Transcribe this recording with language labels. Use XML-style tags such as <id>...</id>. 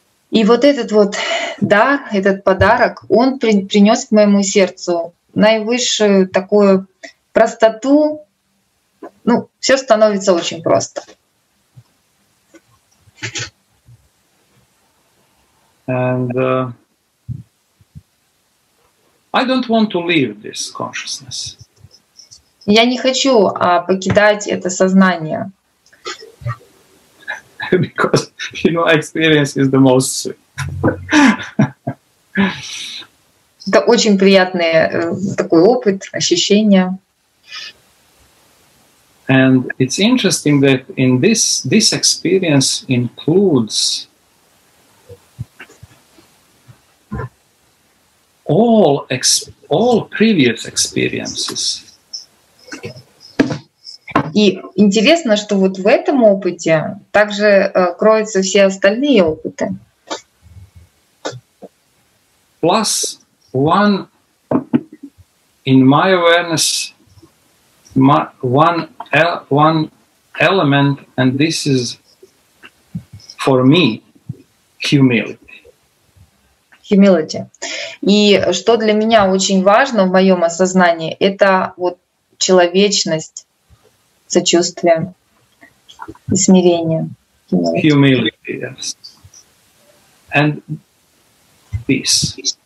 <ru>И вот этот вот дар, этот подарок, он принес к моему сердцу наивысшую такую простоту. Ну, все становится очень просто.</ru> <en>And I don't want to leave this consciousness.</en> <ru>Я не хочу покидать это сознание.</ru> <en>Because you know, experience is the most sweet.</en> <ru>Это очень приятный такой опыт, ощущение.</ru> <en>And it's interesting that in this experience includes all previous experiences.</en> <ru>И интересно, что вот в этом опыте также кроются все остальные опыты.</ru> <en>Plus one in my awareness, one element, and this is for me humility. Humility.</en> <ru>И что для меня очень важно в моем осознании, это вот человечность, сочувствие и смирение.</ru> <en>Humility, yes. And peace.</en>